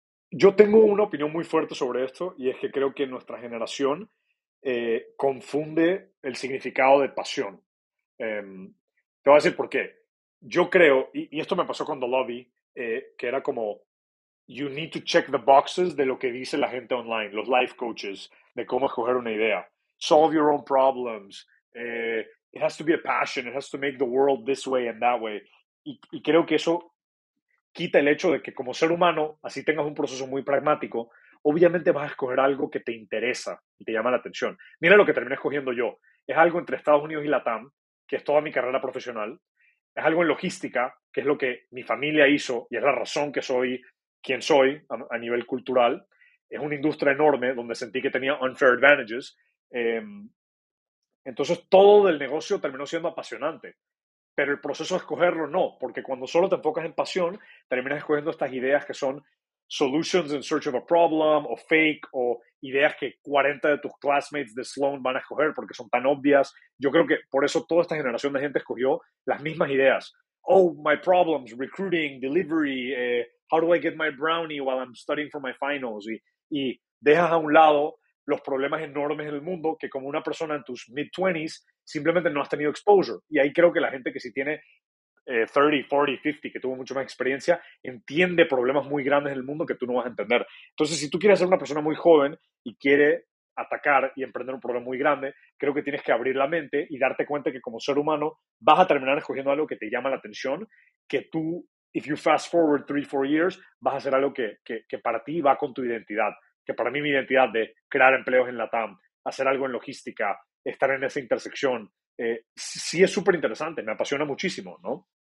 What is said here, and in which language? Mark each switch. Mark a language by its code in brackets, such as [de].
[es] Yo tengo una opinión muy fuerte sobre esto y es que creo que nuestra generación confunde el significado de pasión. Te voy a decir por qué. Yo creo, y esto me pasó con The Lobby, que era como, [en] you need to check the boxes [es] de lo que dice la gente online, los life coaches, de cómo escoger una idea. [en] Solve your own problems. It has to be a passion. It has to make the world this way and that way. [es] Y creo que eso quita el hecho de que como ser humano, así tengas un proceso muy pragmático, obviamente vas a escoger algo que te interesa y te llama la atención. Mira lo que terminé escogiendo yo. Es algo entre Estados Unidos y LATAM, que es toda mi carrera profesional. Es algo en logística, que es lo que mi familia hizo y es la razón que soy quien soy a nivel cultural. Es una industria enorme donde sentí que tenía unfair advantages. Entonces todo del negocio terminó siendo apasionante. Pero el proceso de escogerlo no, porque cuando solo te enfocas en pasión, terminas escogiendo estas ideas que son [en] solutions in search of a problem, [es] o fake, o ideas que 40 de tus classmates de Sloan van a escoger porque son tan obvias. Yo creo que por eso toda esta generación de gente escogió las mismas ideas. [en] Oh, my problems, recruiting, delivery, how do I get my brownie while I'm studying for my finals? [es] Y dejas a un lado los problemas enormes en el mundo que como una persona en tus mid-20s simplemente no has tenido exposure. Y ahí creo que la gente que sí tiene 30, 40, 50, que tuvo mucho más experiencia, entiende problemas muy grandes en el mundo que tú no vas a entender. Entonces, si tú quieres ser una persona muy joven y quiere atacar y emprender un problema muy grande, creo que tienes que abrir la mente y darte cuenta que como ser humano vas a terminar escogiendo algo que te llama la atención, que tú, [en] if you fast forward 3, 4 years, [es] vas a hacer algo que para ti va con tu identidad, que para mí mi identidad de crear empleos en LATAM, hacer algo en logística, estar en esa intersección, sí es súper interesante, me apasiona muchísimo, ¿no?